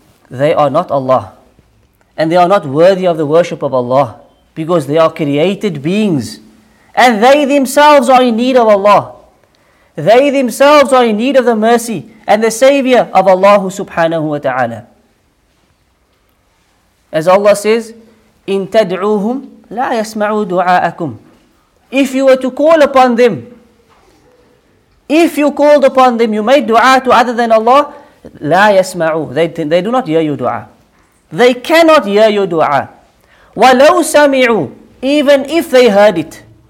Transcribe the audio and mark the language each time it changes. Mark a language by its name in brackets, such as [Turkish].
[English] They are not Allah. And they are not worthy of the worship of Allah, because they are created beings. And they themselves are in need of Allah. They themselves are in need of the mercy and the savior of Allah subhanahu wa ta'ala. As Allah says, [Arabic] إِن تَدْعُوهُمْ لَا يَسْمَعُوا دُعَاءَكُمْ. [English] If you were to call upon them, if you called upon them, you made dua to other than Allah, [Arabic] لَا يَسْمَعُوا. [English] They do not hear your dua. They cannot hear your dua. [Arabic] وَلَوْ سَمِعُوا. [English] Even if they heard it.